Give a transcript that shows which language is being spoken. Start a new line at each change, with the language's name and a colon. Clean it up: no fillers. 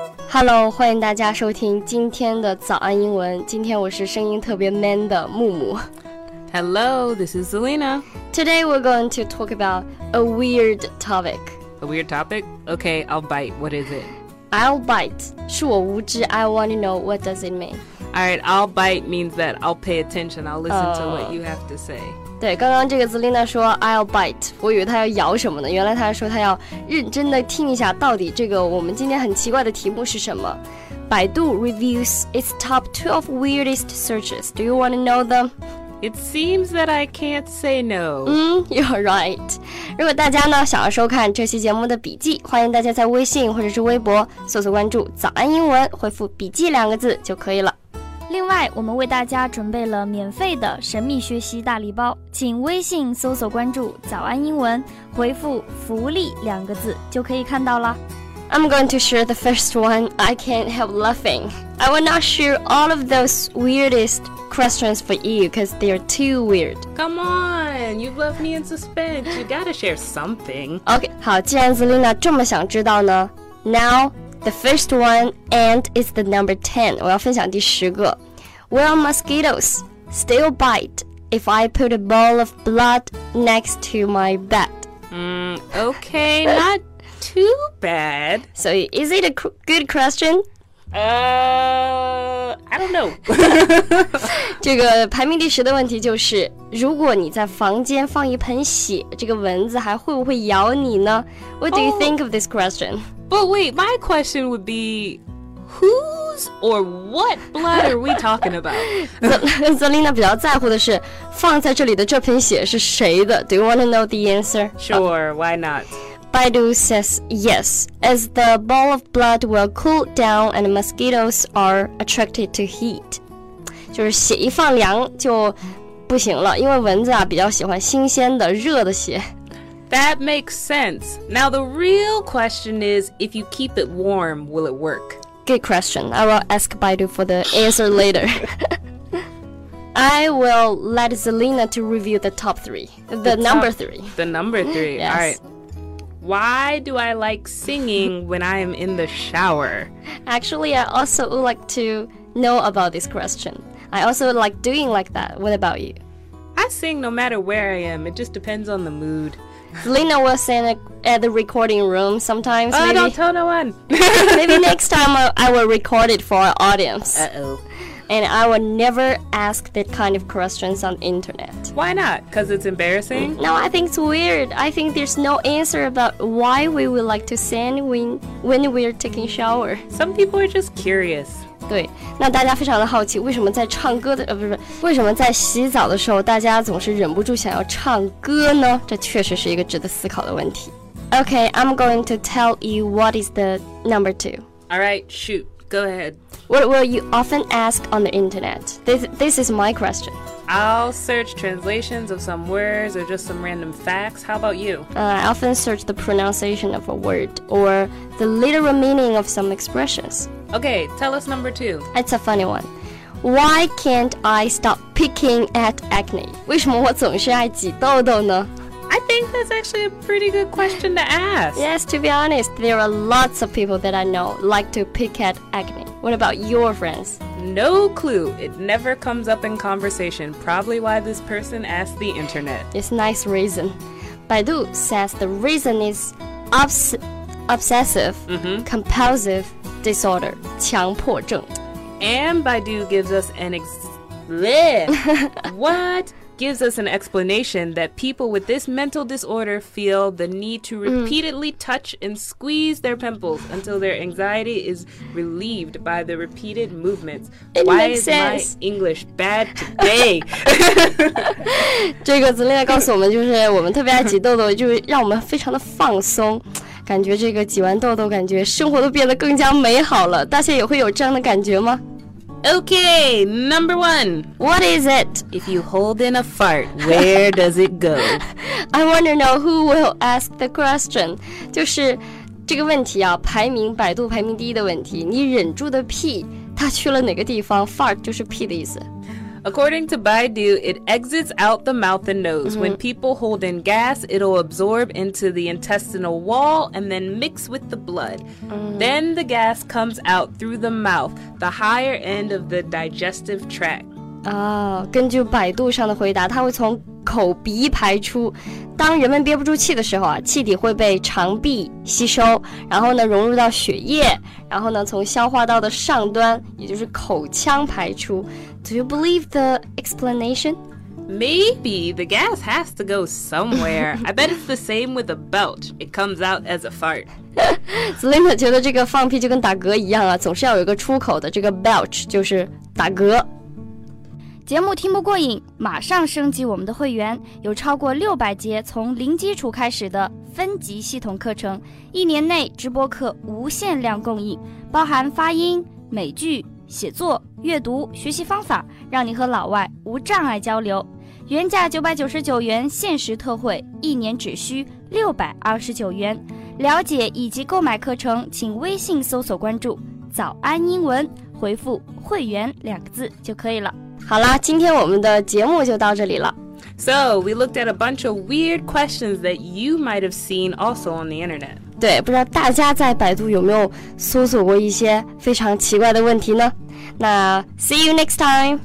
Chinese: Hello， 欢迎大家收听今天的早安英文。今天我是声音特别 man 的木木。
English: Hello, this is Selena. Today we're going to talk about a weird topic. A weird topic? Okay, I'll bite. What is it? I'll bite. 是我无知。 I want to know what does it mean. All right, I'll bite means that I'll pay attention. I'll listen to what you have to say.
Chinese: 对，刚刚这个 Selena 说
English: I'll bite，
Chinese: 我以为她要咬什么呢？原来她说她要认真的听一下到底这个我们今天很奇怪的题目是什么。
English: 百度 reviews its top 2 of weirdest searches. Do you want to know them? It seems that I can't say no. You're right.
Chinese: 如果大家呢想要收看这期节目的笔记，欢迎大家在微信或者是微博搜索关注早安英文，回复笔记两个字就可以了。另外，我们为大家准备了免费的神秘学习大礼包，请微信搜索关注早安英文，回复福利两个字就可以看到了。
English: I'm going to share the first one. I can't help laughing. I will not share all of those weirdest. Questions for you because they are too weird. Come on, you've left me in suspense. You gotta share something. Okay,
Chinese: 好，既然 Selena 这么想知道呢
English: ，Now the first one and it's the number 10.
Chinese: 我要分享第十个。
English: Will mosquitoes still bite if I put a ball of blood next to my bed? Okay, not too bad. So is it a good question? I don't know.
Chinese: 这个排名第十的问题就是，如果你在房间放一盆血，这个蚊子还会不会咬你呢？
English: What do you think of this question? But wait, my question would be, whose or what blood are we talking about?
Chinese: Selena 比较在乎的是，放在这里的这盆血是谁的？
English: Do you want to know the answer? Sure, why not? Baidu says yes, as the ball of blood will cool down and mosquitoes are attracted to heat.
Chinese: 就是血一放凉就不行了，因为蚊子啊比较喜欢新鲜的热的血。
English: That makes sense. Now the real question is, if you keep it warm, will it work? Good question. I will ask Baidu for the answer later. I will let Selena to review the top three. The number three. Yes. All right. Why do I like singing when I am in the shower? Actually, I also would like to know about this question. I also like doing like that. What about you? I sing no matter where I am. It just depends on the mood. Selena will sing at the recording room sometimes. Oh, don't tell no one. Maybe next time I will record it for our audience. Uh-oh. And I will never ask that kind of questions on the internet. Why not? Because it's embarrassing? No, I think it's weird. I think there's no answer about why we would like to sing when we're taking shower. Some people are just curious.
Chinese: 对，那大家非常的好奇，为什么在唱歌的为什么在洗澡的时候大家总是忍不住想要唱歌呢？这确实是一个值得思考的问题。
English: Okay, I'm going to tell you what is the number two. Alright, shoot, go ahead. What will you often ask on the internet? This is my question I'll search translations of some words or just some random facts. How about you? I often search the pronunciation of a word or the literal meaning of some expressions. Okay, tell us number two. It's a funny one. Why can't I stop picking at acne?
Chinese: 为什么我总是爱挤痘痘呢？
English: I think that's actually a pretty good question to ask. Yes, to be honest, there are lots of people that I know like to pick at acne. What about your friends? No clue. It never comes up in conversation. Probably why this person asked the internet. It's a nice reason. Baidu says the reason is obsessive, compulsive disorder.
Chinese: 强迫症.
English: And Baidu gives us an example. What? Gives us an explanation that people with this mental disorder feel the need to repeatedly touch and squeeze their pimples until their anxiety is relieved by the repeated movements. Why is my English bad today?
Chinese: 这个子列告诉我们，就是我们特别爱挤痘痘，就是让我们非常的放松，感觉这个挤完痘痘，感觉生活都变得更加美好了。大家也会有这样的感觉吗？
English: Okay, number one. What is it? If you hold in a fart, where does it go? I want to know who will ask the question.
Chinese: 就是这个问题啊，排名百度排名第一的问题，你忍住的屁，它去了哪个地方？ Fart 就是屁的意思。
English: According to Baidu, it exits out the mouth and nose. Mm-hmm. When people hold in gas, it'll absorb into the intestinal wall and then mix with the blood. Mm-hmm. Then the gas comes out through the mouth, the higher end of the digestive tract.
Chinese: 根据百度上的回答，它会从口鼻排出。当人们憋不住气的时候，气体会被肠壁吸收，然后呢融入到血液，然后呢从消化道的上端，也就是口腔排出。
English: Do you believe the explanation? Maybe the gas has to go somewhere. I bet it's the same with a belt. It comes out as a fart.
Chinese: Zelinda 觉得这个放屁就跟打嗝一样啊，总是要有一个出口的，这个 belch 就是打嗝。节目听不过瘾，马上升级我们的会员，有超过600节从零基础开始的分级系统课程，一年内直播课无限量供应，包含发音、美剧、写作、阅读、学习方法，让你和老外无障碍交流。原价999元，限时特惠，一年只需629元。了解以及购买课程，请微信搜索关注“早安英文”，回复“会员”两个字就可以了。好啦，今天我们的节目就到这里了。
English: So, we looked at a bunch of weird questions that you might have seen also on the internet.
Chinese: 对，不知道大家在百度有没有搜索过一些非常奇怪的问题呢？那
English: see you next time.